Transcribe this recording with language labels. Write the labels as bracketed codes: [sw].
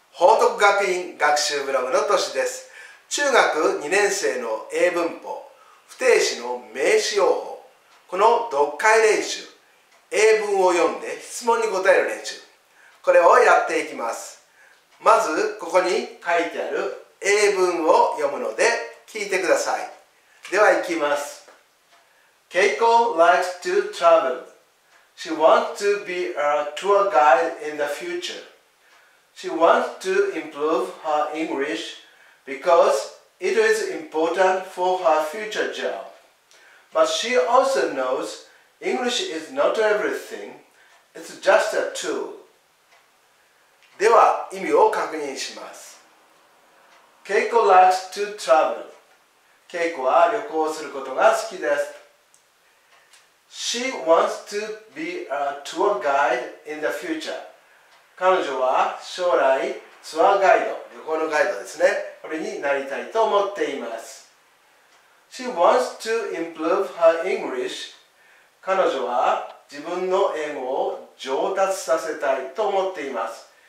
[ja] 報徳学院学習ブログのとしです。中学2年生の英文法、不定詞の名詞用法、この読解練習、英文を読んで質問に答える練習、これをやっていきます。まずここに書いてある英文を読むので聞いてください。ではいきます。 [en] Keiko likes to travel. She wants to be a tour guide in the future. She wants to improve her English because it is important for her future job. But she also knows English is not everything. It's just a tool. [ja] では意味を確認します。 [en] Keiko likes to travel. [ja] Keiko は旅行をすることが好きです。 [en] She wants to be a tour guide in the future. [ja] 彼女は将来ツアーガイド、旅行のガイドですね、これになりたいと思っています。 [en] She wants to improve her English. [ja] 彼女は自分の英語を上達させたいと思っています。